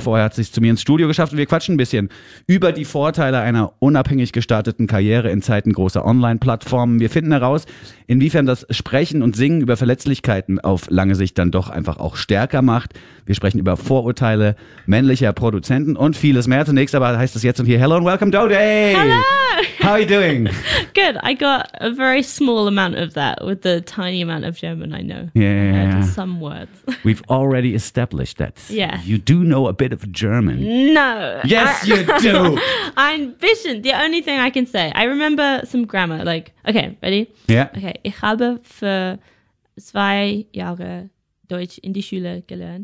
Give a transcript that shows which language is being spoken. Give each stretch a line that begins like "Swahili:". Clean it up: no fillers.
German: Vorher hat sie es zu mir ins Studio geschafft und wir quatschen ein bisschen über die Vorteile einer unabhängig gestarteten Karriere in Zeiten großer Online-Plattformen. Wir finden heraus, inwiefern das Sprechen und Singen über Verletzlichkeiten auf lange Sicht dann doch einfach auch stärker macht. Wir sprechen über Vorurteile männlicher Produzenten und vieles mehr. Zunächst aber heißt es jetzt und hier,
English: hello and welcome,
German: Dodie!
English: Hello! How are you doing? Good, I got a very small amount of that with the tiny amount of German I know. Yeah. Some words. We've already established that. Yeah. You do know a bit of German. No. Yes, you do. I'm vision. The only thing I can say, I remember some grammar. Like, okay, ready? Yeah. Okay.
German: Ich habe für zwei Jahre Deutsch in die Schule gelernt.